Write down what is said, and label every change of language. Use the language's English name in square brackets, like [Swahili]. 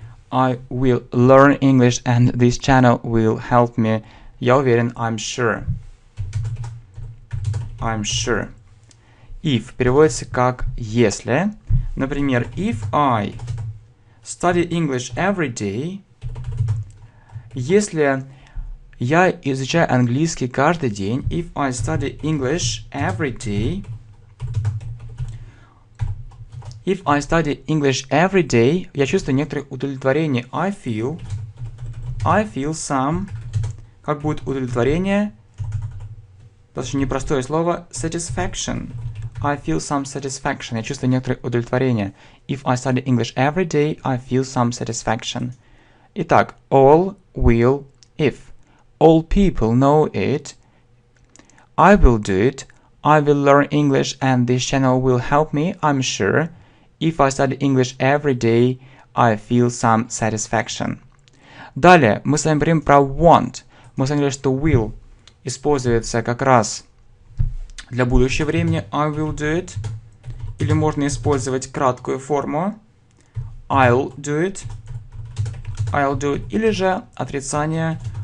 [English] I will learn English and this channel will help me. [Russian] Я уверен, [English] I'm sure. I'm sure. [Russian] If переводится как если. Например, [English] if I study English every day. [Russian] Если я изучаю английский каждый день. [English] If I study English every day. If I study English every day, [Russian] я чувствую некоторое удовлетворение. [English] I feel some, [Russian] как будет удовлетворение, достаточно непростое слово, [English] satisfaction. I feel some satisfaction, [Russian] я чувствую некоторое удовлетворение. [English] If I study English every day, I feel some satisfaction. [Russian] Итак, [English] all will, if. All people know it. I will do it. I will learn English and this channel will help me, I'm sure. If I study English every day, I feel some satisfaction. [Russian] Далее, мы с вами говорим про want. Мы с вами говорили, что will используется как раз для будущего времени. [English] I will do it. [Russian] Или можно использовать краткую форму. [English] I'll do it. I'll do it. [Russian] Или же отрицание.